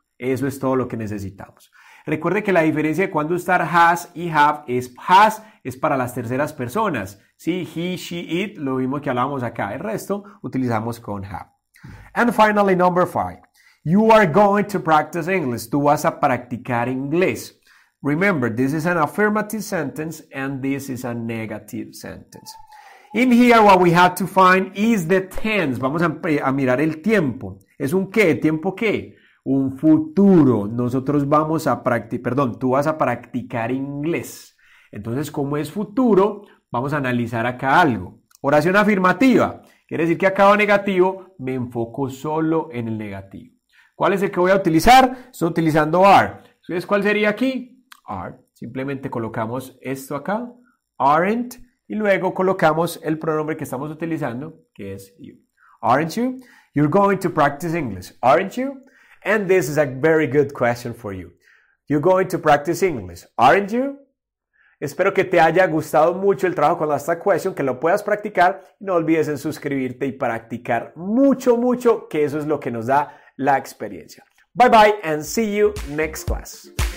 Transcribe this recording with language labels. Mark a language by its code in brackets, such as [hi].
[es] Eso es todo lo que necesitamos. Recuerde que la diferencia de cuando usar has y have es has es para las terceras personas. Sí, he, she, it, lo mismo que hablábamos acá. El resto utilizamos con have. [en] And finally, number five. You are going to practice English. [es] Tú vas a practicar inglés. [en] Remember, this is an affirmative sentence and this is a negative sentence. In here, what we have to find is the tense. [es] Vamos a mirar el tiempo. ¿Es un qué? ¿Tiempo qué? Un futuro. Nosotros vamos a practicar, perdón, tú vas a practicar inglés. Entonces, como es futuro, vamos a analizar acá algo. Oración afirmativa. Quiere decir que acabo negativo, me enfoco solo en el negativo. ¿Cuál es el que voy a utilizar? Estoy utilizando are. Entonces, ¿cuál sería aquí? Are. Simplemente colocamos esto acá, aren't, y luego colocamos el pronombre que estamos utilizando, que es you. [en] Aren't you? You're going to practice English, aren't you? And this is a very good question for you. You're going to practice English, aren't you? [es] Espero que te haya gustado mucho el trabajo con la Stack Question, que lo puedas practicar. No olvides en suscribirte y practicar mucho, mucho, que eso es lo que nos da la experiencia. [en] Bye bye and see you next class.